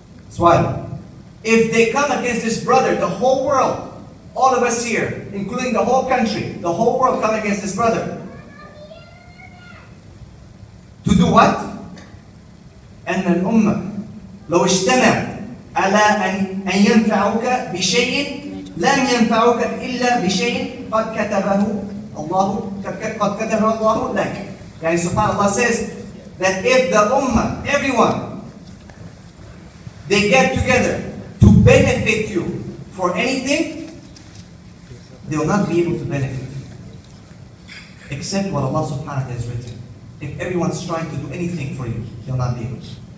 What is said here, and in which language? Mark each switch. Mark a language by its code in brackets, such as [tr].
[en] Swayam. If they come against this brother, the whole world, all of us here, including the whole country, the whole world come against this brother. To do what? [ar] أن الأمة لو اجتمعت على أن ينفعوك بشيء لم ينفعوك إلا بشيء قد كتبه الله قد كتبه الله لك. يعني سبحان الله [en] says that if the ummah, everyone, they get together to benefit you for anything, they will not be able to benefit you. Except what Allah subhanahu wa ta'ala has written. If everyone's trying to do anything for you, they'll not be able to.